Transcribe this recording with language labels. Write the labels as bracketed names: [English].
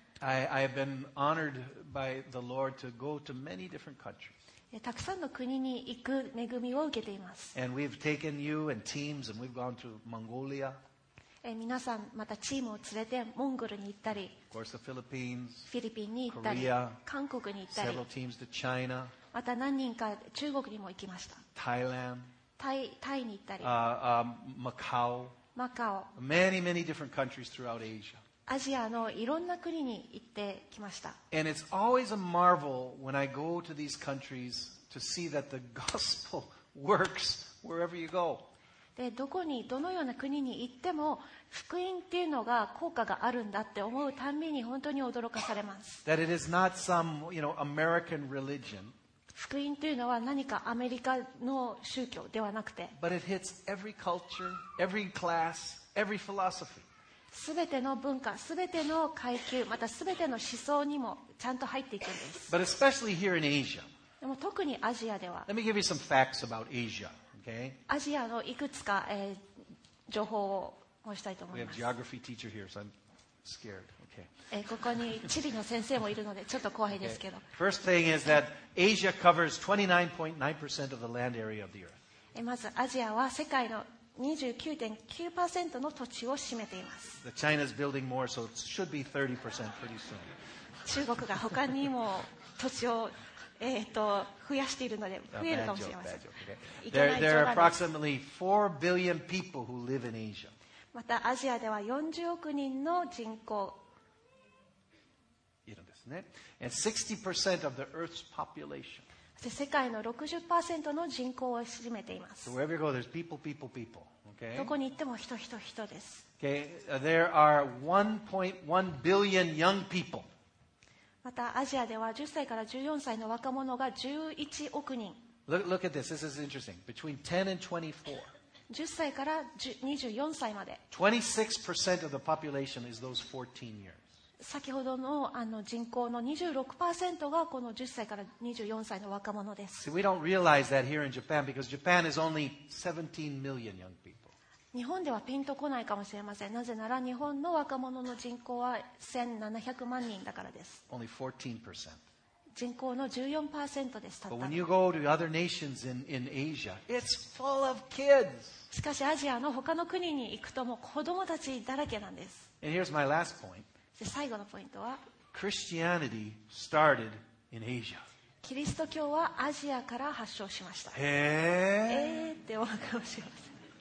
[English] I have been honored by the Lord to go to many different countries. [Japanese] たくさんの国に行く恵みを受けています。 [English] And we've taken you and teams and we've gone to Mongolia. [Japanese] 皆さんまたチームを連れてモンゴルに行ったり、 [English] course, [Japanese] フィリピンに行ったり、 [English] Korea, [Japanese] 韓国に行ったり、 [English] China, [Japanese] また何人か中国にも行きました。 [English] Thailand, [Japanese] タイに行ったり、 [English] マカオ、many many different countries throughout Asia。 [Japanese] アジアのいろんな国に行ってきました。 [English] And it's always a marvel when I go to these countries to see that the gospel works wherever you go. [Japanese] でどこにどのような国に行っても福音っていうのが効果があるんだって思うたんびに本当に驚かされます。 [English] That it is not some, you know, American religion, [Japanese] 福音というのは何かアメリカの宗教ではなくて、 [English] But it hits every culture, every class, every philosophy. [Japanese] 全ての文化、全ての階級、また全ての思想にもちゃんと入っていくんです。 [English] But especially here in Asia. [Japanese] でも特にアジアでは、 [English] Let me give you some facts about Asia [Japanese] アジアのいくつか、情報を申したいと思います。 [English] We have geography teacher here, so I'm scared. Okay. [Japanese] ここに地理の先生もいるのでちょっと怖いですけど。 [English] Okay. First thing is that Asia covers 29.9% of the land area of the earth. [Japanese] まずアジアは世界の 29.9% の土地を占めています。 [English] The China is building more, so it should be 30% pretty soon. [Japanese] 中国が他にも土地を増やしているので増えるかもしれません。 [English] There are approximately 4 billion people who live in Asia. [Japanese] またアジアでは40億人の人口いるんですね。 [English] And 60% of the Earth's population. [Japanese] 世界の 60% の人口を占めています。 [English] So wherever you go, there's people, people, people. Okay. [Japanese] どこに行っても人、人、人です。 [English] Okay. There are 1.1 billion young people. [Japanese] またアジアでは10歳から14歳の若者が11億人。 [English] Look at this. This is interesting. Between 10 and 24. [Japanese] 10歳から24歳まで。 [English] 26% of the population is those 14 years. [Japanese] 先ほどの人口の 26% がこの10歳から24歳の若者です。 [English] We don't realize that here in Japan because Japan is only 17 million young people. [Japanese] 日本ではピンとこないかもしれません。なぜなら日本の若者の人口は1700万人だからです。 [English] Only 14%. [Japanese] 人口の 14% です。 [English] But when you go to other nations in Asia, it's full of kids. [Japanese] しかしアジアの他の国に行くとも子供たちだらけなんです。 [English] And here's my last point. [Japanese] 最後のポイントは、 [English] Christianity started in Asia. [Japanese] キリスト教はアジアから発祥しました。って思うかもしれません。